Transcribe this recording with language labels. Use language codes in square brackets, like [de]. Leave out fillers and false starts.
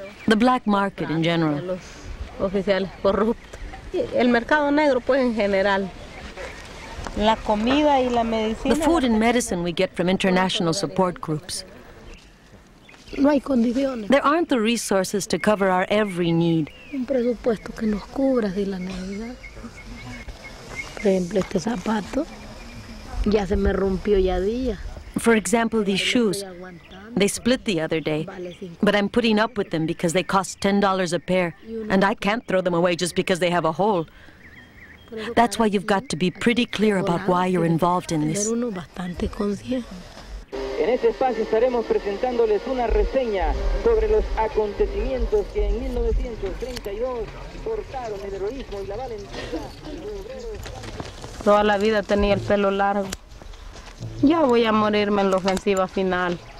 [en] The black market in general. [es] Oficiales corruptos. El mercado negro, pues, en general. La comida y la medicina. [en] The food and medicine we get from international support groups. [es] No hay condiciones. [en] There aren't the resources to cover our every need. [es] Un presupuesto que nos cubra de la Navidad. Por ejemplo, este zapato ya se me rompió ya día. [en] For example, these shoes. They split the other day, but I'm putting up with them because they cost $10 a pair, and I can't throw them away just because they have a hole. That's why you've got to be pretty clear about why you're involved in this. [es] En este espacio estaremos presentándoles una reseña sobre los acontecimientos que en 1932 portaron el heroísmo y la valentía. Toda la vida tenía el pelo largo. Ya voy a morirme en la ofensiva final.